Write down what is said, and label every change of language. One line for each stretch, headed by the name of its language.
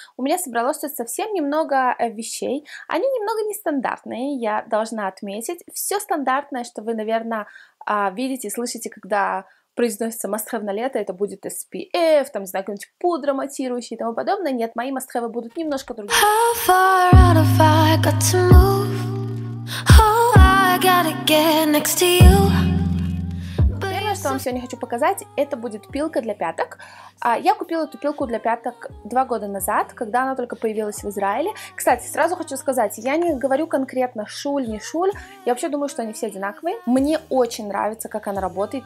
Russian: У меня собралось тут совсем немного вещей. Они немного нестандартные, я должна отметить. Все стандартное, что вы, наверное, видите и слышите, когда произносится мастхэв на лето, это будет SPF, там, не знаю, какой-нибудь пудра матирующая и тому подобное. Нет, мои мастхэвы будут немножко другие.
English: How far out have I got to move? Oh, I gotta get next to you.
Russian: Что вам сегодня хочу показать, это будет пилка для пяток. Я купила эту пилку для пяток 2 года назад, когда она только появилась в Израиле. Кстати, сразу хочу сказать, я не говорю конкретно шуль, не шуль. Я вообще думаю, что они все одинаковые. Мне очень нравится, как она работает.